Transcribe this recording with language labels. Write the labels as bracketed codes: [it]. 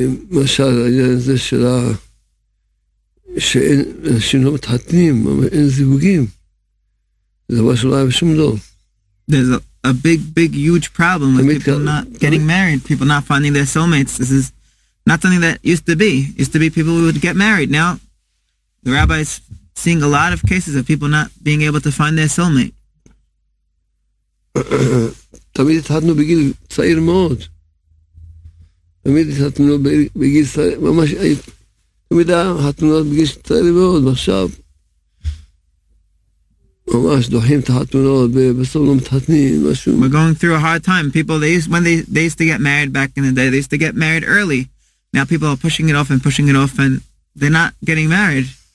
[he] למשל, העניין הזה של שאנשים לא מתחתנים, אין זיווגים. זה דבר שלא היה בשום דור. [en] There's a big, big, huge problem with people not getting married, people not finding their soulmates. This is not something that used to be. Used to be people who would get married. Now, the rabbi is seeing a lot of cases of people not being able to find their soulmate. [he] תמיד התחתנו בגיל צעיר מאוד. תמיד התחתנו בגיל צעיר, ממש, תמיד התחתנו בגיל צעיר מאוד, ועכשיו ממש דוחים את התחתנות, בסוף לא מתחתנים, משהו. [en] We're going through a hard time. People, when they used to get married back in the day, they used to get married early. Now people are pushing it off, and they're not getting married.